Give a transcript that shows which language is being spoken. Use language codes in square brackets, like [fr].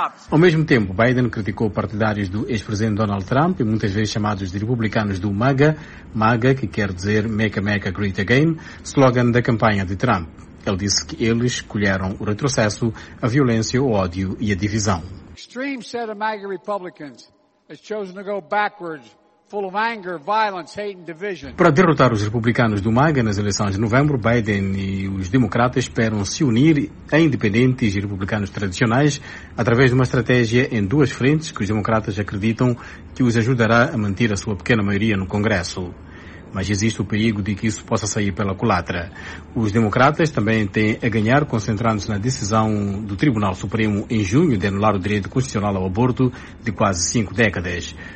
[pt] Ao mesmo tempo, Biden criticou partidários do ex-presidente Donald Trump e muitas vezes chamados de republicanos do MAGA, MAGA, que quer dizer [en] Make America Great Again, [pt] slogan da campanha de Trump. Ele disse que eles colheram o retrocesso, a violência, o ódio e a divisão. [en] Extreme set of MAGA Republicans has chosen to go backwards. Full of anger, violence, hate and division. [pt] Para derrotar os republicanos do MAGA nas eleições de novembro, Biden e os democratas esperam se unir a independentes e republicanos tradicionais através de uma estratégia em duas frentes que os democratas acreditam que os ajudará a manter a sua pequena maioria no Congresso. Mas existe o perigo de que isso possa sair pela culatra. Os democratas também têm a ganhar concentrando-se na decisão do Tribunal Supremo em junho de anular o direito constitucional ao aborto de quase 5 décadas.